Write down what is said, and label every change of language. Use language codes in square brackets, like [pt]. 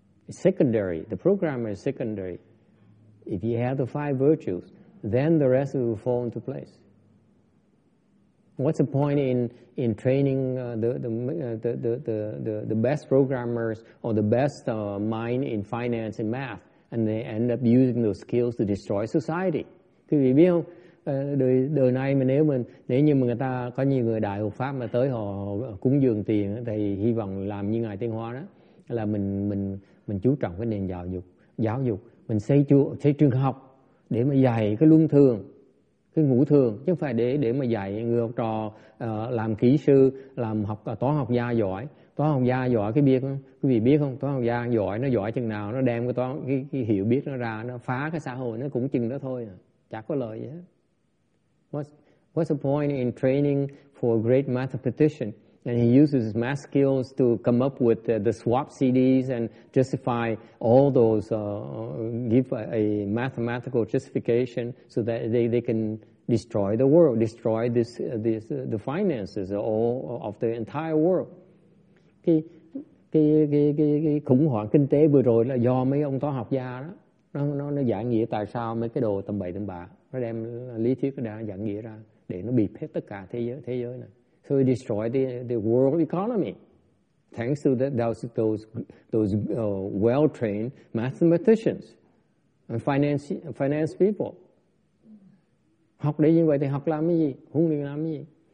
[en] Secondary, the programmer is secondary. If you have the five virtues, then the rest of it will fall into place. What's the point in training the best programmers or the best mind in finance and math, and they end up using those skills to destroy society? [vi] Quý vị biết không? Đời nay mà nếu như mà người ta có nhiều người đại học pháp mà tới họ cúng dường tiền thì hy vọng làm như ngài Tiên Hoa đó là mình chú trọng cái nền giáo dục, mình xây trường học để mà dạy cái luân thường, cái ngũ thường, chứ không phải để mà dạy người học trò làm kỹ sư, làm học toán học gia giỏi. Toán học gia giỏi, quý vị biết không, toán học gia giỏi nó giỏi chừng nào nó đem cái hiểu biết nó ra, nó phá cái xã hội nó cũng chừng đó thôi à. Chả có lợi gì hết. [en] What's the point in training for a great mathematician? And he uses his math skills to come up with the swap CDs and justify all those, give a mathematical justification so that they can destroy the world, destroy this the finances all of the entire world. [vi] Cái khủng hoảng kinh tế vừa rồi là do mấy ông toán học gia đó nó giải nghĩa tại sao mấy cái đồ tầm bậy tầm bạ nó đem lý thuyết nó đang giải nghĩa ra để nó bịp hết tất cả thế giới này. [en] So it destroyed the world economy, thanks to those well-trained mathematicians and finance people. [vi] Học để như vậy thì học làm cái gì? [en] Huấn luyện làm cái gì?